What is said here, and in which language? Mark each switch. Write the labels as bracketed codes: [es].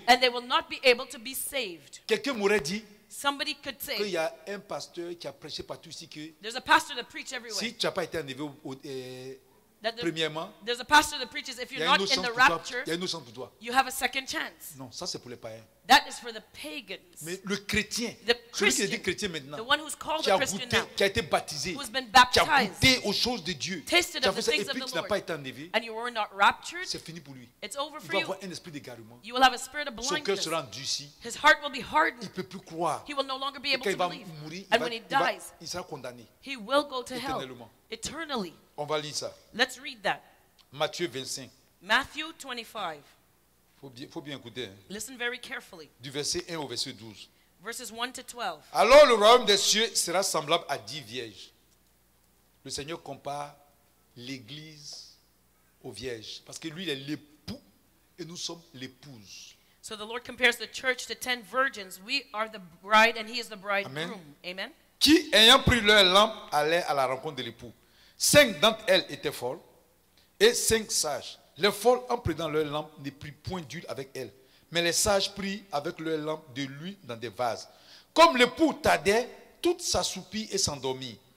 [en] And they will not be able to be saved. [fr] Quelqu'un m'aurait dit. [en] Somebody could say. [fr] Qu'il y a un pasteur qui a prêché partout ici que. [en] There's a pastor that preaches everywhere. [fr] Si tu n'as pas été enlevé premièrement. [en] There's a pastor that preaches if you're not in the rapture. [fr] Il y a une autre chance pour toi. [en] You have a second chance. [fr] Non, ça c'est pour les païens. [en] That is for the pagans. [fr] Mais le chrétien. [en] The Christian. [fr] Celui qui est chrétien maintenant. [en] The one who's called a Christian [fr] goûté, [en] now. [fr] Qui a été baptisé. [en] Who's been baptized. [fr] Qui a goûté aux choses de Dieu. [en] Tasted of the things of the Lord. [fr] Et puis tu n'as pas été enlevé. [en] And you were not raptured. [fr] C'est fini pour lui. [en] It's over for you. [fr] Il va avoir un esprit d'égarement. [en] You will have a spirit of blindness. [fr] Son cœur sera endurci. [en] His heart will be hardened. [fr] Il ne peut plus croire. [en] He will no longer be able to believe. [fr] Mourir, [en] and when he dies. [fr] Il sera condamné. [en] He will go to hell. Eternally. [fr] On va lire ça. [en] Let's read that. [fr] Matthieu 25. [en] Matthew 25. [fr] Faut bien écouter. Hein. [en] Listen very carefully. [fr] Du verset 1 au verset 12. [en] Verses 1 to 12. [fr] Alors le royaume des cieux sera semblable à 10 vierges. Le Seigneur compare l'église aux vierges parce que lui il est l'époux et nous sommes l'épouse. [en] So the Lord compares the church to 10 virgins. We are the bride and he is the bridegroom. Amen. Amen. [fr] Qui ayant pris leur lampe allait à la rencontre de l'époux. Cinq d'entre elles étaient folles et cinq sages. Les folles, en prenant leur lampe, ne prirent point d'huile avec elles. Mais les sages prirent avec leur lampe de l'huile dans des vases. Comme l'époux tardait, toutes s'assoupirent et s'endormirent.